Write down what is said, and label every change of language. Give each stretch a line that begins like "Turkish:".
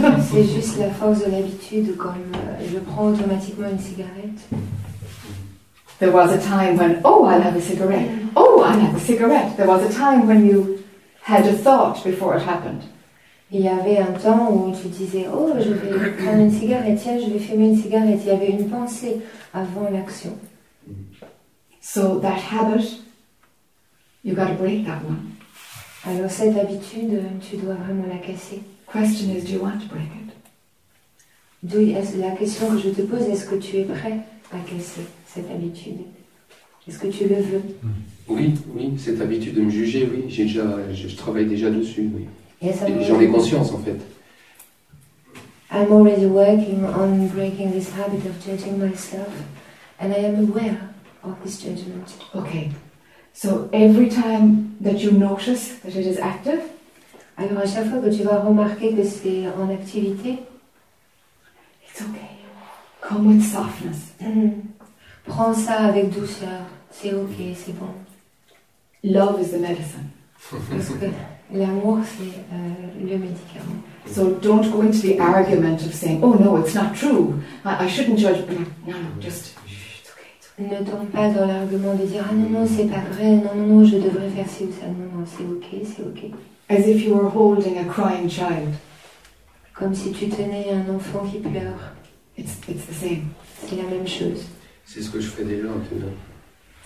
French: C'est juste la force de l'habitude, comme je prends automatiquement une cigarette.
English: There was a time when, oh, I'll have a cigarette. Oh, I'll have a cigarette. There was a time when you had a thought before it happened.
French: Il y avait un temps où tu disais, oh, je vais prendre une cigarette, tiens, je vais fumer une cigarette. Il y avait une pensée avant l'action.
English: So that habit, you got to break that one.
French: Alors cette habitude, tu dois vraiment la casser.
English: Question is, do you want to break it?
French: La question que je te pose, est-ce que tu es prêt à casser cette habitude? Est-ce que tu le veux? Oui, oui, cette habitude de me juger, oui, je travaille déjà dessus, oui. Et j'en ai conscience, en fait.
English: I'm already working on breaking this habit of judging myself, and I am aware of this judgment. Okay. So every time that you notice that it is active,
French: alors à chaque fois que tu vas remarquer que c'est en activité,
English: it's okay. Come with softness.
French: Prends ça avec douceur. C'est ok, c'est bon.
English: Love is the medicine.
French: Parce que l'amour, c'est le médicament.
English: So don't go into the argument of saying, oh no, it's not true. I shouldn't judge. No, just...
French: Ne tombe pas dans l'argument de dire ah non non c'est pas vrai non non non je devrais faire ci ou ça non non c'est ok
English: as if you were holding a crying child
French: comme si tu tenais un enfant qui pleure
English: it's the same
French: c'est la même chose c'est ce que je fais déjà en tout cas